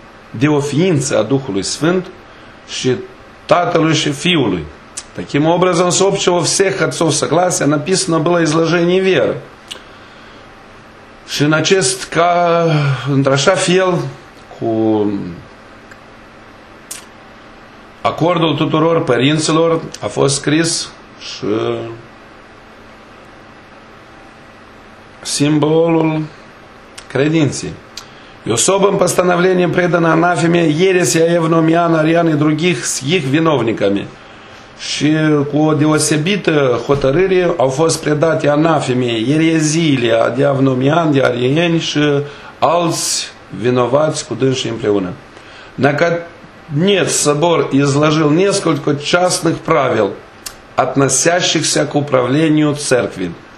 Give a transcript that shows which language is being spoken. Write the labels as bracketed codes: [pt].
[ro] De o ființă a Duhului Sfânt și Tatălui și Fiului. [ru] Таким образом, с общего всех отцов согласия написано было изложение веры. [ro] Și în acest ca într-așa fel cu acordul tuturor părinților a fost scris și символ credinței. [ru] И особым постановлением предано анафеме ереси Евномиана, Ариана и других с их виновниками. [ro] Și cu o deosebită hotărâre au fost predate anafeme ereziile de Evnomian, de Arieni și alți vinovați cu dânsii împreună. [ru] Наконец, собор изложил несколько частных правил, относящихся к управлению церкви.